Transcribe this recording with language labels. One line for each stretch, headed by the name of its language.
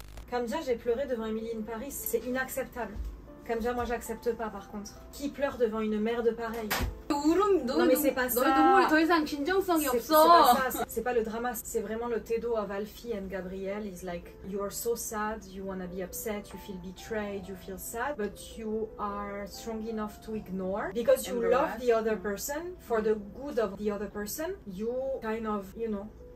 French: Kamja, j'ai pleuré devant Emily in Paris. C'est inacceptable. Kamja, moi j'accepte pas par contre. Qui pleure devant une merde pareille?
Korean: 울음도
French: non, mais c'est pas ça.
Korean: 너의 눈물이 더 이상 진정성이 없어.
French: C'est pas le drama, c'est vraiment le Tedo of Alfie and Gabrielle.
English: It's like, you are so sad, you wanna be upset, you feel betrayed, you feel sad, but you are strong enough to ignore. Because you love the other person, for the good of the other person, you kind of, you know.